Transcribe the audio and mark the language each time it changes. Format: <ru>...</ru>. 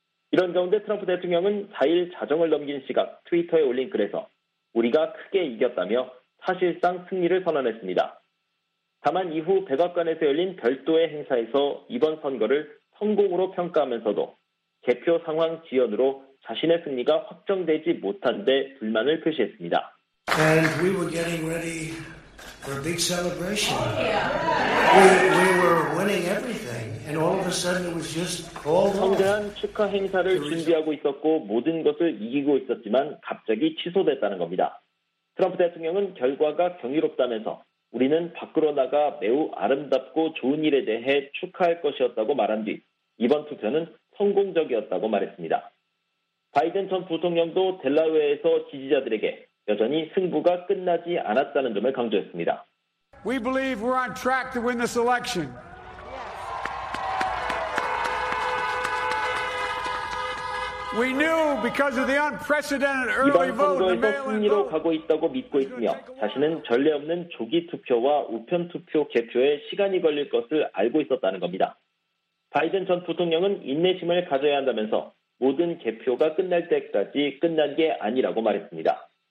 <ko>이런 가운데 트럼프 대통령은 4일 자정을 넘긴 시각 트위터에 올린 글에서 우리가 크게 이겼다며 사실상 승리를 선언했습니다. 다만 이후 백악관에서 열린 별도의 행사에서 이번 선거를 성공으로 평가하면서도 개표 상황 지연으로 자신의 승리가 확정되지 못한 데 불만을 표시했습니다.</ko> <en>And we were getting ready for a big celebration. We were winning everything. And all of a sudden it was just all over.</en> <ko>성대한 축하 행사를 준비하고 있었고 모든 것을 이기고 있었지만 갑자기 취소됐다는 겁니다. 트럼프 대통령은 결과가 경이롭다면서 우리는 밖으로 나가 매우 아름답고 좋은 일에 대해 축하할 것이었다고 말한 뒤 이번 투표는 성공적이었다고 말했습니다. 바이든 전 부통령도 델라웨어에서 지지자들에게 여전히 승부가 끝나지 않았다는 점을 강조했습니다.</ko> <en>We believe we're on track to win this election. We knew because of the unprecedented early vote.</en> <ko>이번 선거에서 승리로 가고 있다고 믿고 있으며 자신은 전례 없는 조기 투표와 우편 투표 개표에 시간이 걸릴 것을 알고 있었다는 겁니다. 바이든 전 부통령은 인내심을 가져야 한다면서 모든 개표가 끝날 때까지 끝난 게 아니라고 말했습니다.</ko>